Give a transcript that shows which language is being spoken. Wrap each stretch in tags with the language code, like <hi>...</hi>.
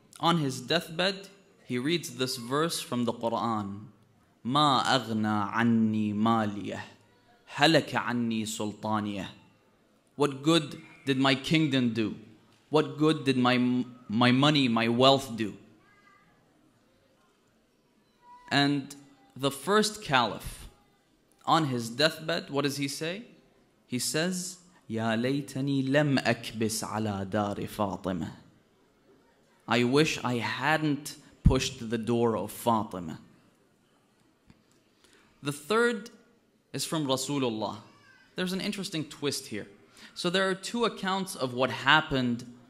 <en>On his deathbed, he reads this verse from the Quran,</en> <ar>ما أغنى عني ماليه هلك عني سلطانيه.</ar> <en>What good did my kingdom do? What good did my money, my wealth do? And the first caliph, on his deathbed, what does he say? He says,</en> <ar>يا ليتني لم أكبس على دار فاطمة.</ar> <en>I wish I hadn't pushed the door of Fatima. The third is from Rasulullah. There's an interesting twist here. So there are two accounts of what happened</en>